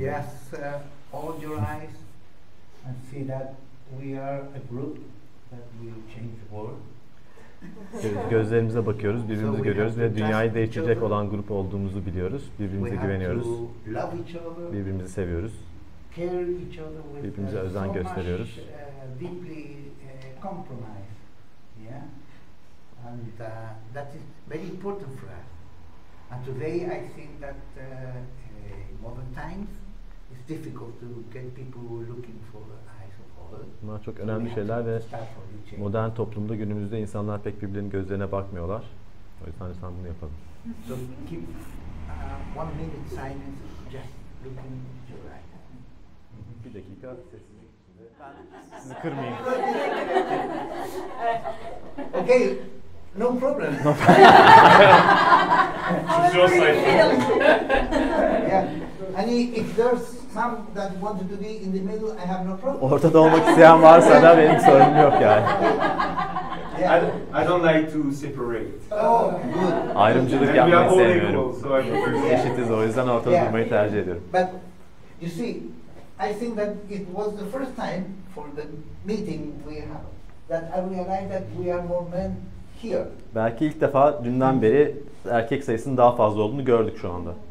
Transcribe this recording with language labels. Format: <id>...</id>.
<en>Yes, all your eyes and see that we are a group that will change the world.</en> <tr>Gözlerimize bakıyoruz, birbirimizi görüyoruz ve dünyayı değiştirecek olan grup olduğumuzu biliyoruz. Birbirimize güveniyoruz. Birbirimizi seviyoruz.</tr> <en>Care each other with</en> <tr>birbirimize özen</tr> <en>so</en> <tr>gösteriyoruz.</tr> <en>Deeply compromise. Yeah. And that is very important for us. And today I think that modern times it's difficult to get people looking for eyes of all.</en> <tr>Bunlar çok önemli şeyler ve modern toplumda günümüzde insanlar pek birbirinin gözlerine bakmıyorlar. O yüzden sen bunu yapalım.</tr> <en>So keep 1 minute silence just looking at your eyes.</en> <tr>1 dakika sessizlik içinde. Sizi kırmayayım.</tr> <en>Okay. No problem. No problem. It's your side. Yeah. And if there's some that want to be in the middle, I have no problem.</en> <tr>Ortada olmak isteyen varsa da benim sorunum yok yani.</tr> <en>Yeah. I don't like to separate. Oh, good.</en> <tr>Ayrımcılık yapmayı sevmiyorum. Eşitiz, o yüzden ortada durmayı tercih ediyorum.</tr> <en>But you see, I think that it was the first time for the meeting we have that I realized that we are more men. Here.</en> <tr>Belki ilk defa dünden beri erkek sayısının daha fazla olduğunu gördük şu anda.</tr>